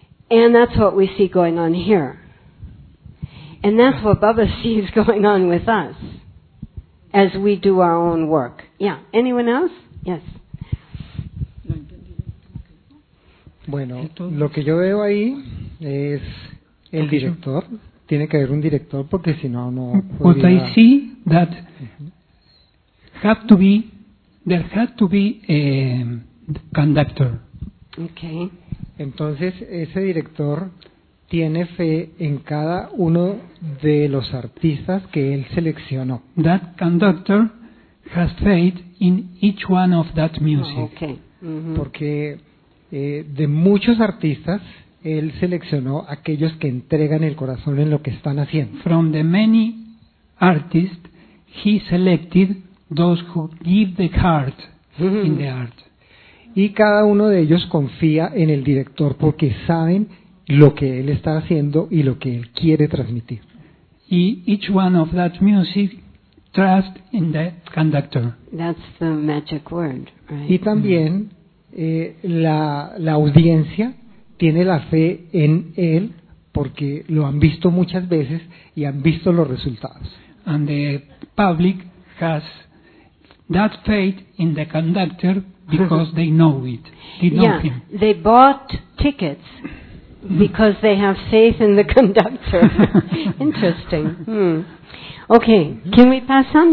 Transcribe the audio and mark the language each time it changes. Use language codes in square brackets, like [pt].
[en] And that's what we see going on here. And that's what Baba sees going on with us as we do our own work. Yeah. Anyone else? Yes. [es] Bueno, lo que yo veo ahí es el director. Tiene que haber un director porque si no, no podría... [en] What I see that have to be, there have to be a conductor. Okay. [es] Entonces, ese director tiene fe en cada uno de los artistas que él seleccionó. [en] That conductor has faith in each one of that music. Oh, okay. Mm-hmm. [es] Porque de muchos artistas, él seleccionó aquellos que entregan el corazón en lo que están haciendo. [en] From the many artists, he selected those who give the heart in the art. [es] Y cada uno de ellos confía en el director porque saben lo que él está haciendo y lo que él quiere transmitir. [en] Y each one of that music trust in the conductor. That's the magic word, right? [es] Y también la audiencia tiene la fe en él porque lo han visto muchas veces y han visto los resultados. [en] And the public has that faith in the conductor because they know it. They know him. They bought tickets because they have faith in the conductor. Interesting. Okay, can we pass on?